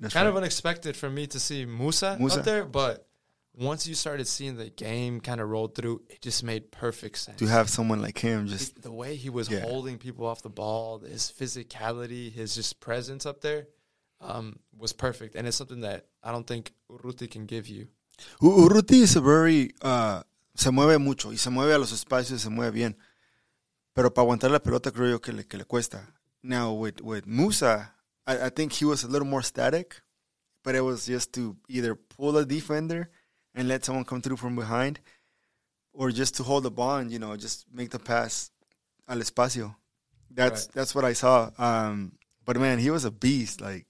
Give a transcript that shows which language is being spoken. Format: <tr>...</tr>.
<en>Kind of unexpected for me to see Musa up there, but once you started seeing the game kind of roll through, it just made perfect sense. To have someone like him just... The way he was holding people off the ball, his physicality, his just presence up there was perfect. And it's something that I don't think Urruti can give you. Urruti is a very...</en> <es>se mueve mucho y se mueve a los espacios, se mueve bien. Pero para aguantar la pelota creo yo que le cuesta.</es> <en>Now, with Musa, I think he was a little more static, but it was just to either pull a defender and let someone come through from behind, or just to hold the bond, you know, just make the pass</en> <es>al espacio.</es> <en>That's what I saw. But man, he was a beast. Like,</en>